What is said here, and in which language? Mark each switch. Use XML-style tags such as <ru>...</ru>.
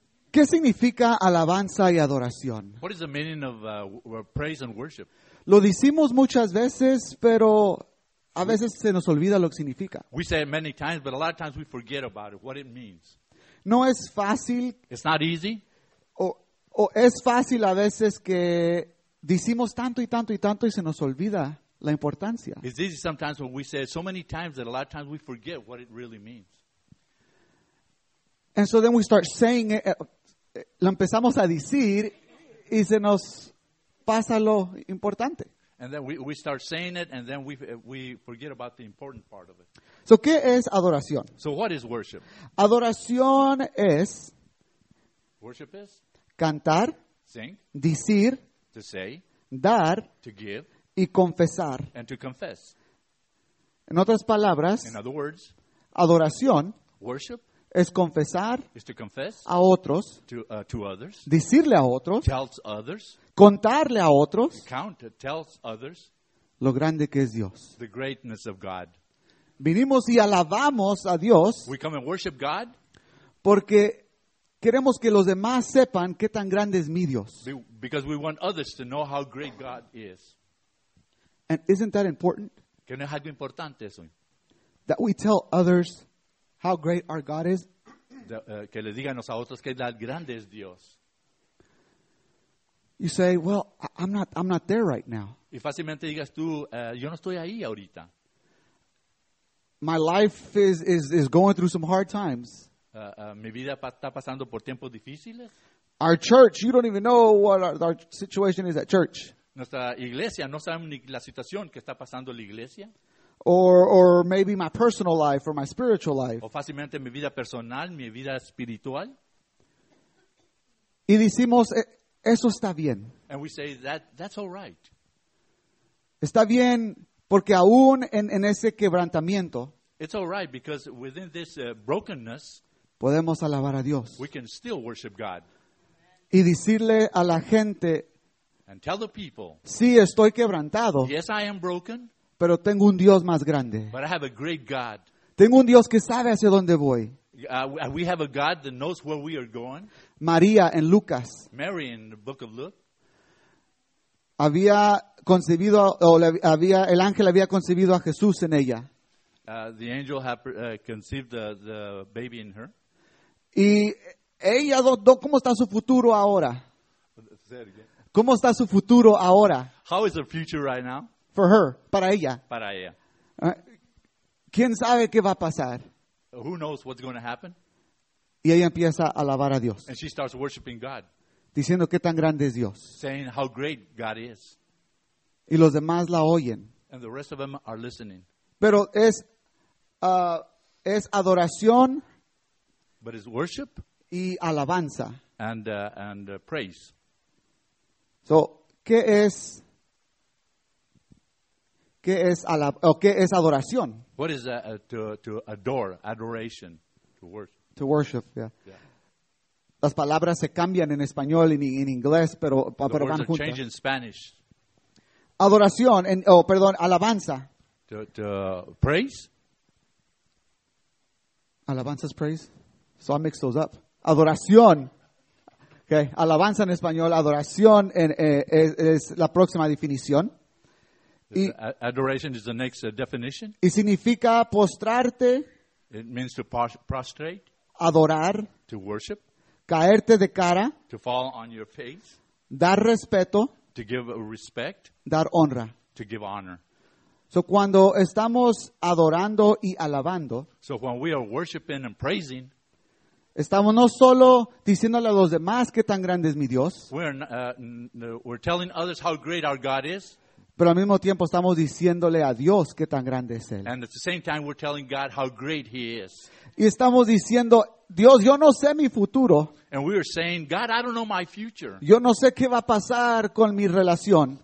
<es>¿Qué significa alabanza y adoración?</es> <en>What is the meaning of praise and worship?</en> <es>Lo decimos muchas veces, pero a veces se nos olvida lo que significa.</es> <en>We say it many times, but a lot of times we forget about it, what it means.</en> <es>No es fácil.</es> <en>It's not easy.</en> <es>O es fácil a veces que decimos tanto y tanto y tanto y se nos olvida la importancia.</es> <en>It's easy sometimes when we say it so many times that a lot of times we forget what it really means. And so then we start saying it,</en> <es>lo empezamos a decir y se nos pasa lo importante.</es> <en>And then we start saying it and then we forget about the important part of it.</en> <es>So, ¿qué es adoración?</es> <en>So, what is worship?</en> <es>Adoración es...</es> <en>Worship is...</en> <es>Cantar.</es> <en>Sing.</en> <es>Decir.</es> <en>To say.</en> <es>Dar.</es> <en>To give.</en> <es>Y confesar.</es> <en>And to confess.</en> <es>En otras palabras...</es> <en>In other words...</en> <es>Adoración...</es> <en>Worship.</en> <es>Es confesar...</es> <en>Is to confess.</en> <es>A otros.</es> <en>To others.</en> <es>Decirle a otros.</es> <en>Tells others.</en> <es>Contarle a otros.</es> <en>Count. Tells others.</en> <es>Lo grande que es Dios.</es> <en>The greatness of God.</en> <es>Venimos y alabamos a Dios.</es> <en>We come and worship God.</en> <es>Porque queremos que los demás sepan qué tan grande es mi Dios.</es> <en>Because we want others to know how great God is. And isn't that important?</en> <es>Que no es algo importante eso.</es> <en>That we tell others how great our God is.</en> <es>Que le díganos a otros qué tan grande es Dios.</es> <en>You say, well, I'm not there right now.</en> <es>Y fácilmente digas tú, yo no estoy ahí ahorita.</es> <en>My life is going through some hard times.</en> <es>Mi vida está pasando por tiempos difíciles.</es> <en>Our church, you don't even know what our situation is at church.</en> <es>Nuestra iglesia, no sabemos ni la situación que está pasando la iglesia.</es> <en>Or maybe my personal life or my spiritual life.</en> <es>O fácilmente mi vida personal, mi vida espiritual. Y decimos, eso está bien.</es> <en>And we say, that's all right.</en> <es>Está bien. Porque aún en ese quebrantamiento,</es> <en>It's all right because within this brokenness,</en> <es>podemos alabar a Dios.</es> <en>We can still worship God.</en> <es>Y decirle a la gente,</es> <en>and tell the people,</en> <es>sí, estoy quebrantado.</es> <en>Yes, I am broken.</en> <es>Pero tengo un Dios más grande.</es> <en>But I have a great God.</en> <es>Tengo un Dios que sabe hacia dónde voy.</es> <en>We have a God that knows where we are going.</en> <es>María en Lucas.</es> <en>Mary in the book of Luke.</en> <es>Había concebido, o había, el ángel había concebido a Jesús en ella.</es> <en>The angel had conceived the baby in her.</en> <es>Y ella, ¿cómo está su futuro ahora? ¿Cómo está su futuro ahora?</es> <en>How is her future right now? For her,</en> <es>para ella. Para ella. ¿Quién sabe qué va a pasar?</es> <en>Who knows what's going to happen?</en> <es>Y ella empieza a alabar a Dios.</es> <en>And she starts worshiping God.</en> <es>Diciendo qué tan grande es Dios.</es> <en>Saying how great God is.</en> <es>Y los demás la oyen.</es> <en>And the rest of them are listening.</en> <es>Pero es adoración.</es> <en>But it's worship.</en> <es>Y alabanza.</es> <en>And praise.</en> <es>So, ¿qué es adoración?</es> <en>What is to adore, adoration, to worship. To worship, yeah.</en> <es>Las palabras se cambian en español y en inglés, pero van juntas.</es> <en>Change in Spanish.</en> <es>Adoración, alabanza.</es> <en>To praise. Alabanza is praise. So I mixed those up. Adoración. Okay.</en> <es>Alabanza en español. Adoración es la próxima definición.</es> <en>Adoration is the next definition.</en> <es>Y significa postrarte.</es> <en>It means to prostrate.</en> <es>Adorar.</es> <en>To worship.</en> <es>Caerte de cara.</es> <en>To fall on your face.</en> <es>Dar respeto.</es> <en>To give respect.</en> <es>Dar honra.</es> <en>To give honor.</en> <es>So cuando estamos adorando y alabando.</es> <en>So when we are worshiping and praising.</en> <es>Estamos no solo diciéndole a los demás qué tan grande es mi Dios.</es> <en>We're telling others how great our God is.</en> <es>Pero al mismo tiempo estamos diciéndole a Dios qué tan grande es Él.</es> <en>And at the same time we're telling God how great He is.</en> <es>Y estamos diciendo, Dios, yo no sé mi futuro.</es> <en>And we are saying, God, I don't know my future.</en> <es>Yo no sé qué va a pasar con mi relación.</es>